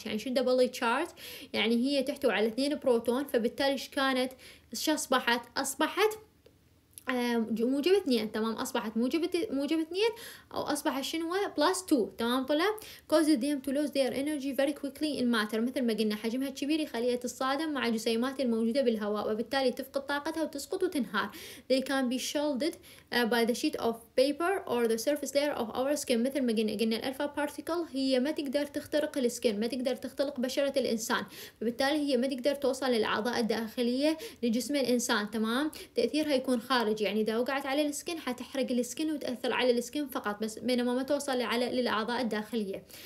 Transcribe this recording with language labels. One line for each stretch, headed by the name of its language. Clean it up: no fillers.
Arabic: يعني شو دبلي تشارج؟ يعني هي تحتوي على 2 بروتون، فبالتالي ايش كانت؟ ايش اصبحت؟ اصبحت موجبة 2. تمام، اصبحت موجبة 2 او اصبحت شنو؟ بلاس 2. تمام طلاب،
English: cause them to lose their energy very quickly in matter,
Arabic: مثل ما قلنا حجمها الكبير يخليها تصادم مع جسيمات الموجوده بالهواء، وبالتالي تفقد طاقتها وتسقط وتنهار.
English: They can be shielded by the sheet of paper or the surface layer of our skin.
Arabic: مثل ما قلنا الالفا بارتيكل هي ما تقدر تخترق السكن، ما تقدر تختلق بشره الانسان، وبالتالي هي ما تقدر توصل للاعضاء الداخليه لجسم الانسان. تمام، تاثيرها يكون خارج، يعني إذا وقعت على السكن حتحرق السكن وتأثر على السكن فقط، بس بينما ما توصل على للأعضاء الداخلية.